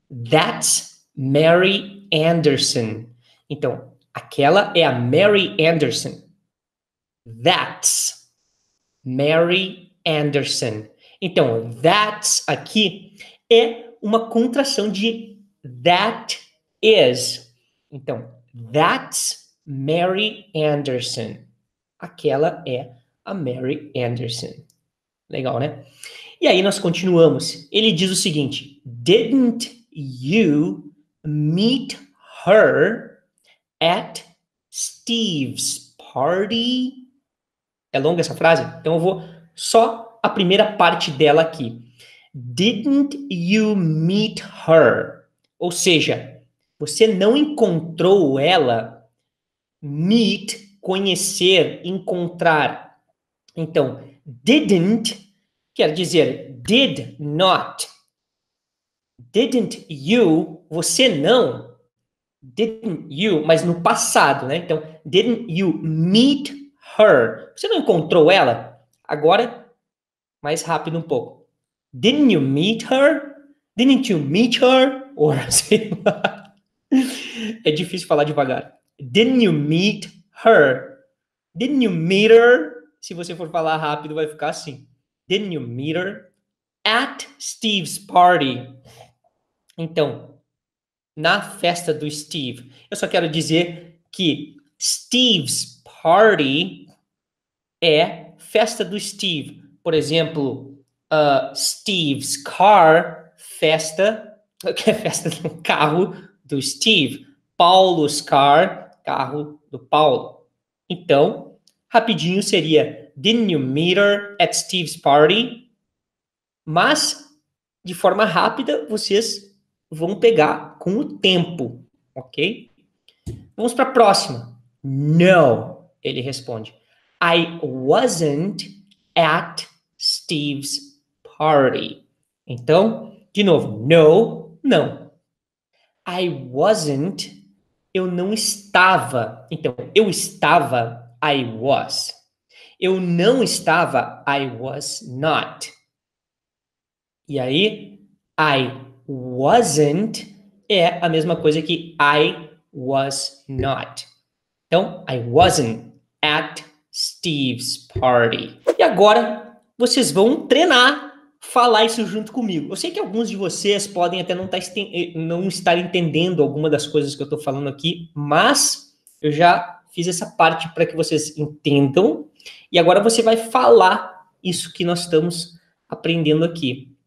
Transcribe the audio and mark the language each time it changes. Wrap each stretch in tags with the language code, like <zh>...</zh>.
<en>That's Mary Anderson.</en> <pt>Então, aquela é a Mary Anderson.</pt> <en>That's Mary Anderson.</en> <pt>Então, that's aqui é uma contração de that is. Então,</pt> <en>that's Mary Anderson.</en> <pt>Aquela é a Mary Anderson. Legal, né? E aí nós continuamos. Ele diz o seguinte.</pt> <en>Didn't you meet her at Steve's party?</en> <pt>É longa essa frase? Então eu vou só a primeira parte dela aqui.</pt> <en>Didn't you meet her?</en> <pt>Ou seja, você não encontrou ela? Meet, conhecer, encontrar. Então, didn't quer dizer did not. Didn't you, você não. Didn't you, mas no passado, né? Então,</pt> <en>didn't you meet her?</en> <pt>Você não encontrou ela? Agora, mais rápido um pouco.</pt> <en>Didn't you meet her? Didn't you meet her? Or,</en> <pt>sei lá. É difícil falar devagar.</pt> <en>Didn't you meet her? Didn't you meet her?</en> <pt>Se você for falar rápido, vai ficar assim.</pt> <en>Didn't you meet her? At Steve's party.</en> <pt>Então, na festa do Steve. Eu só quero dizer que Steve's party é festa do Steve. Por exemplo, Steve's car, festa, que é festa do carro do Steve. Paulo's car, carro do Paulo. Então, rapidinho seria,</pt> <en>didn't you meet her at Steve's party?</en> <pt>Mas, de forma rápida, vocês vão pegar com o tempo, ok? Vamos para a próxima. No, ele responde.</pt> <en>I wasn't at Steve's party.</en> <pt>Então, de novo, no, não. I wasn't, eu não estava. Então, eu estava, I was. Eu não estava, I was not. E aí, I wasn't é a mesma coisa que I was not.</pt> <en>Então, I wasn't at Steve's party.</en> <pt>E agora, vocês vão treinar falar isso junto comigo. Eu sei que alguns de vocês podem até não estar entendendo alguma das coisas que eu estou falando aqui, mas eu já fiz essa parte para que vocês entendam. E agora você vai falar isso que nós estamos aprendendo aqui.</pt>